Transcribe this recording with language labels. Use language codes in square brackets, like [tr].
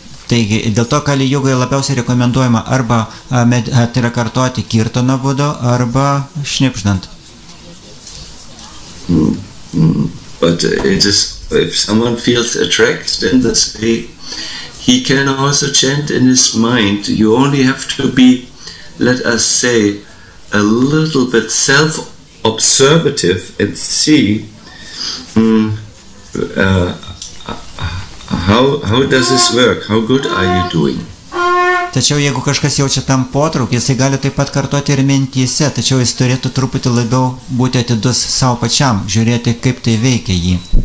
[lt] Taigi, dėl to Kali Yugoje labiausiai rekomenduojama arba tai yra kartuoti kirtano būdo arba šnipždant. [en] But it is, if someone feels attracted in this way, he can also chant in his mind. You only have to be, let us say, a little bit self-observative and see how does this work? How good are you doing? [lt] Tačiau jeigu kažkas jaučia tam potraukį, jisai gali taip pat kartuoti ir mintyse, tačiau jis turėtų truputį labiau būti atidus savo pačiam, žiūrėti, kaip tai veikia jį.